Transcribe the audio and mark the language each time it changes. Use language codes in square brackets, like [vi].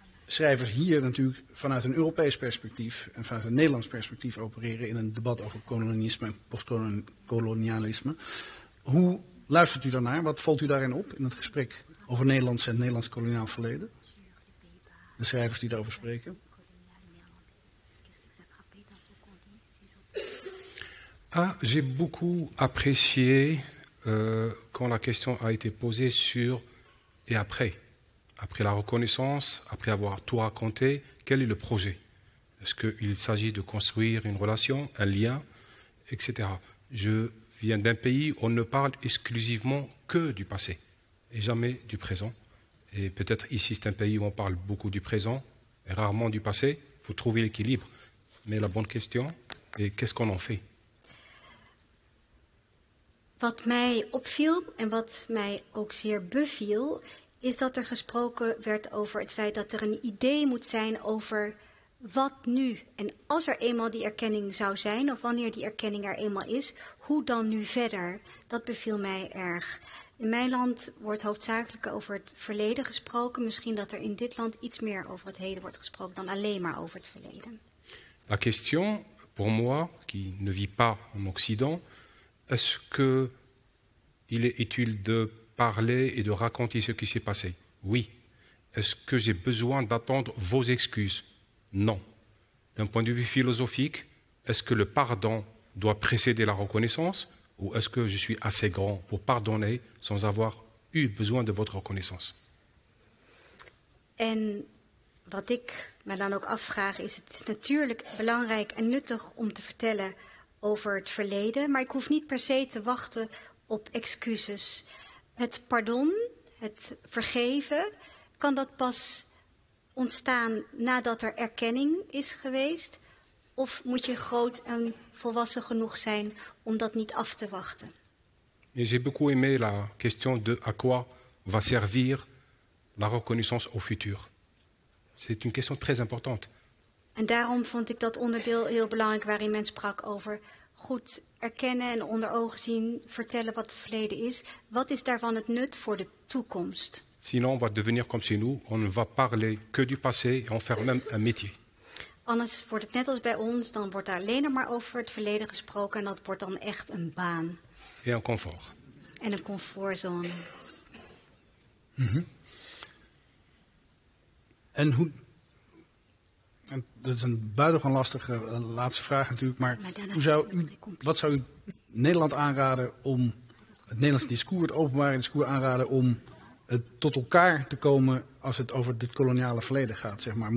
[nl] schrijvers hier natuurlijk vanuit een Europees perspectief en vanuit een Nederlands perspectief opereren in een debat over kolonialisme en postkolonialisme. Hoe luistert u daarnaar? Wat valt u daarin op in het gesprek over Nederlands en het Nederlands koloniaal verleden? De schrijvers die daarover spreken. [fr] Ah, j'ai beaucoup apprécié quand la question a été posée sur et après. Après la reconnaissance, après avoir tout raconté, quel est le projet? Est-ce qu'il s'agit de construire une relation, un lien, etc. Je viens d'un pays où on ne parle exclusivement que du passé et jamais du présent. Et peut-être ici, c'est un pays où on parle beaucoup du présent et rarement du passé. Il faut trouver l'équilibre. Mais la bonne question est qu'est-ce qu'on en fait? [nl] Wat mij opviel en wat mij ook zeer beviel, is dat er gesproken werd over het feit dat er een idee moet zijn over wat nu. En als er eenmaal die erkenning zou zijn, of wanneer die erkenning er eenmaal is, hoe dan nu verder? Dat beviel mij erg. In mijn land wordt hoofdzakelijk over het verleden gesproken. Misschien dat er in dit land iets meer over het heden wordt gesproken dan alleen maar over het verleden. [fr] La question, pour moi, qui ne vit pas en Occident, est-ce qu'il est utile de parler et de raconter ce qui s'est passé? Oui. Est-ce que j'ai besoin d'attendre vos excuses? Non. D'un point de vue philosophique, est-ce que le pardon doit précéder la reconnaissance? Ou est-ce que je suis assez grand pour pardonner sans avoir eu besoin de votre reconnaissance? [nl] En wat ik me dan ook afvraag, is het is natuurlijk belangrijk en nuttig om te vertellen over het verleden, maar ik hoef niet per se te wachten op excuses. Het pardon, het vergeven, kan dat pas ontstaan nadat er erkenning is geweest? Of moet je groot en volwassen genoeg zijn om dat niet af te wachten? [fr] J'ai beaucoup aimé la question de à quoi va servir la reconnaissance au futur. C'est une question très importante. [nl] En daarom vond ik dat onderdeel heel belangrijk waarin men sprak over goed erkennen en onder ogen zien, vertellen wat het verleden is. Wat is daarvan het nut voor de toekomst? [fr] Sinon, on va devenir comme chez nous. On ne va parler que du passé et on fait même un métier. [nl] Anders wordt het net als bij ons, dan wordt daar alleen maar over het verleden gesproken en dat wordt dan echt een baan. [fr] Et un confort. [nl] En een comfortzone. Mm-hmm. En hoe... En dat is een buitengewoon lastige laatste vraag natuurlijk, maar hoe zou u, wat zou u Nederland aanraden om het Nederlandse discours, het openbare discours aanraden om het tot elkaar te komen als het over dit koloniale verleden gaat? Zeg maar.